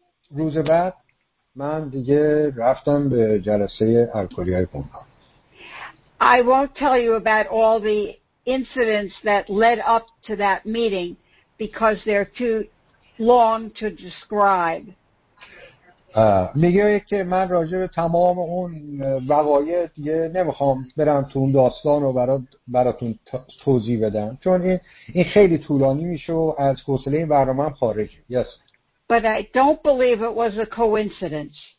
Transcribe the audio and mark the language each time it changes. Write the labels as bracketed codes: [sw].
[fa] روز بعد من دیگه رفتم به جلسه الکلی‌های گمنام. [en] I won't tell you about all the incidents that led up to that meeting because they're too long to describe. [fa] میگه که من راجع به تمام اون وقایع دیگه نمیخوام برم تو اون داستان رو براتون توضیح بدم، چون این خیلی طولانی میشه و از حوصله این برنامه هم خارجه. [en] Yes. But I don't believe it was a coincidence.